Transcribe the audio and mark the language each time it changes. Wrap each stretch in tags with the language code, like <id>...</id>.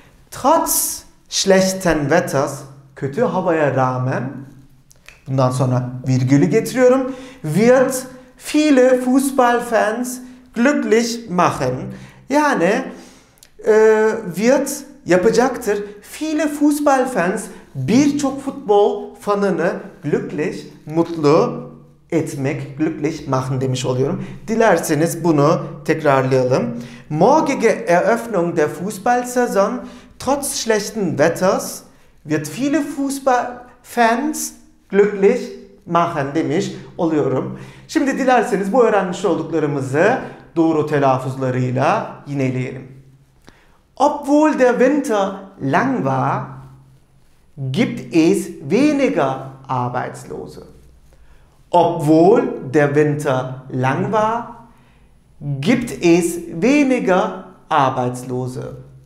<de>Trotz schlechten Wetters,</de> <tr>kötü havaya rağmen, bundan sonra virgülü getiriyorum,</tr> <de>wird viele Fußballfans glücklich machen.</de> <tr>Yani wird yapacaktır.</tr> <de>Viele Fußballfans,</de> <tr>birçok futbol fanını glücklich, mutlu etmek,</tr> <de>glücklich machen</de> <tr>demiş oluyorum. Dilerseniz bunu tekrarlayalım.</tr> <de>Morgige Eröffnung der Fußballsaison trotz schlechten Wetters wird viele Fußballfans glücklich machen</de> <tr>demiş oluyorum. Şimdi dilerseniz bu öğrenmiş olduklarımızı doğru telaffuzlarıyla yineleyelim.</tr> <de>Obwohl der Winter lang war, gibt es weniger Arbeitslose. Obwohl der Winter lang war, gibt es weniger Arbeitslose.</de>